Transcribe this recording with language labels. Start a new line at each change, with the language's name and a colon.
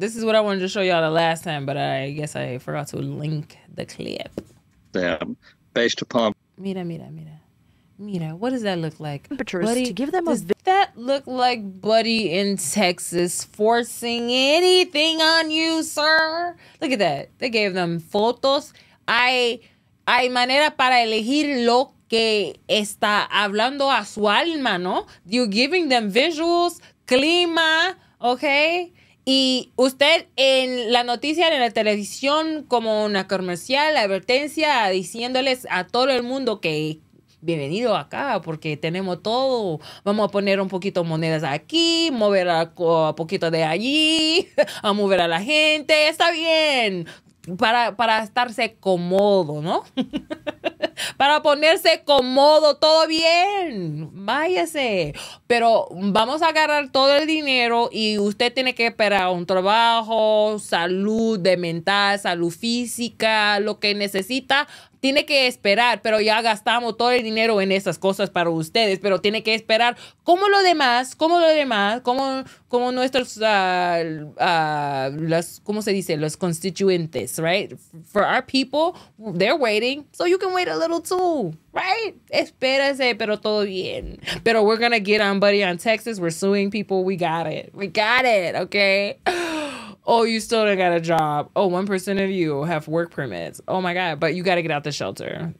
English: This is what I wanted to show y'all the last time, but I guess I forgot to link the clip. Them, based upon...
Spanish: Mira, mira, mira. Mira,
English: what does that look like? Buddy, to give them does a... that look like Buddy in Texas forcing anything on you, sir? Look at that. They gave them photos.
Spanish: Hay manera para elegir lo que está hablando a su alma, ¿no?
English: You're giving them visuals,
Spanish: clima... Okay, y usted en la noticia, en la televisión, como una comercial, la advertencia, diciéndoles a todo el mundo que bienvenido acá, porque tenemos todo. Vamos a poner un poquito monedas aquí, mover a poquito de allí, a mover a la gente, está bien, para estarse cómodo, ¿no? Para ponerse cómodo, todo bien, váyase. Pero vamos a agarrar todo el dinero y usted tiene que esperar un trabajo, salud de mental, salud física, lo que necesita. Tiene que esperar, pero ya gastamos todo el dinero en esas cosas para ustedes, pero tiene que esperar como lo demás, como lo demás, como nuestros, las, ¿cómo se dice? Los constituyentes, right?
English: For our people, they're waiting, so you can wait a little too, right?
Spanish: Espérase, pero todo bien. Pero
English: we're gonna get on Buddy on Texas, we're suing people, we got it. We got it, okay? Oh, you still don't got a job. Oh, 1% of you have work permits. Oh my God, but you got to get out the shelter.